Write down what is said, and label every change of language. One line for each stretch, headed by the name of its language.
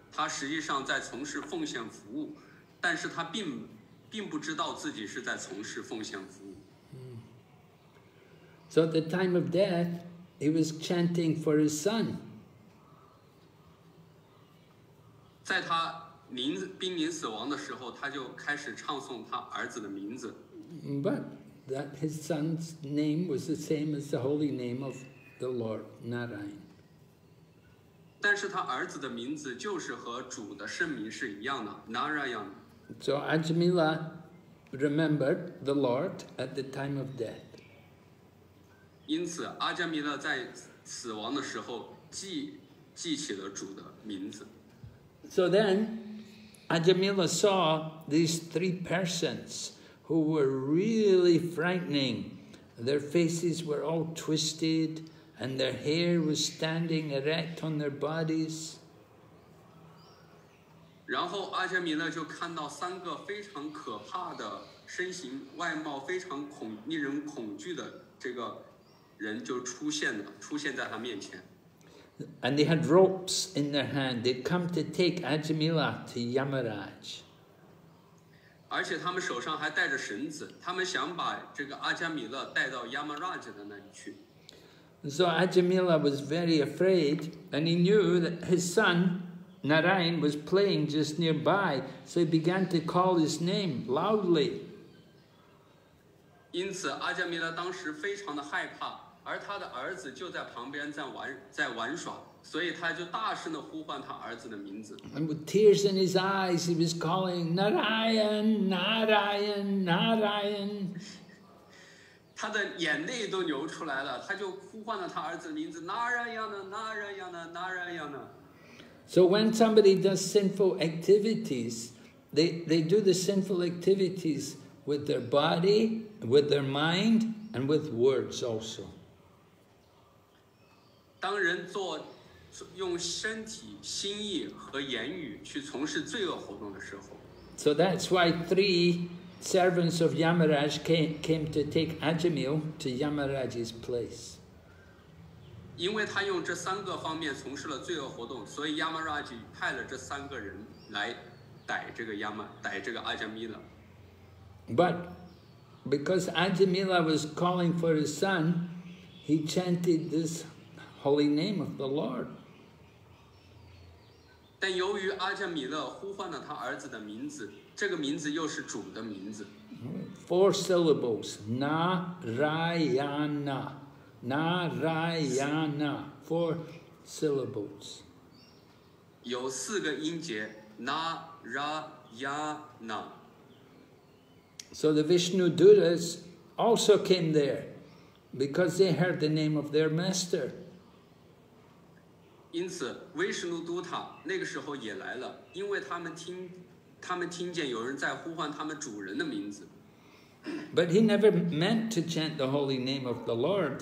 Chinese: 他实际上在从事奉献服务，但是他并不知道自己是在从事奉献服务。So
English: at the time of death, he was chanting for his son.
Chinese: 在他临濒临死亡的时候，他就开始唱诵他儿子的名字。
English: But that his son's name was the same as the holy name of the Lord Narayan.
Chinese: 但是他儿子的名字就是和主的圣名是一样的 ，Narayan.
English: So Ajmila remembered the Lord at the time of death.
Chinese: 因此，阿加米勒在死亡的时候记起了主的名字。
English: So then, Ajamila saw these three persons who were really frightening. Their faces were all twisted, and their hair was standing erect on their bodies.
Chinese: 然后阿加米勒就看到三个非常可怕的身形，外貌非常令人恐惧的这个人就出现在他面前。
English: And they had ropes in their hand. They'd come to take Ajmila to Yamaraj.
Chinese: 而且他们手上还带着绳子，他们想把这个阿加米勒带到 Yamaraj 的那里去。
English: So Ajmila was very afraid, and he knew that his son Narayan was playing just nearby. So he began to call his name loudly.
Chinese: 因此，阿加米勒当时非常的害怕。而他的儿子就在旁边在玩耍，所以他就大声地呼唤他儿子的名字。
English: And with tears in his eyes, he was calling Narayan, Narayan, Narayan.
Chinese: 他的眼泪都流出来了，他就呼唤了他儿子的名字 Narayana, Narayana, Narayana.
English: So when somebody does sinful activities, they do the sinful activities with their body, with their mind, and with words also.
Chinese: 当人做用身体、心意和言语去从事罪恶活动的时候
English: ，So that's why three servants of Yamaraj came to take Ajmila to Yamaraj's place.
Chinese: 因为他用这三个方面从事了罪恶活动，所以 Yamaraj 派了这三个人来逮这个阿加米勒。
English: But because Ajmila was calling for his son, he chanted this. Holy name of the Lord.
Chinese: 但由于阿加米勒呼唤了他儿子的名字，这个名字又是主的名字。
English: Four syllables, Narayana, Narayana, four syllables.
Chinese: 有四个音节 ，Narayana.
English: So the Vishnu Duras also came there because they heard the name of their master.
Chinese: 因此，维什努都塔那个时候也来了，因为他们听见有人在呼唤他们主人的名字。
English: But he never meant to chant the holy name of the Lord.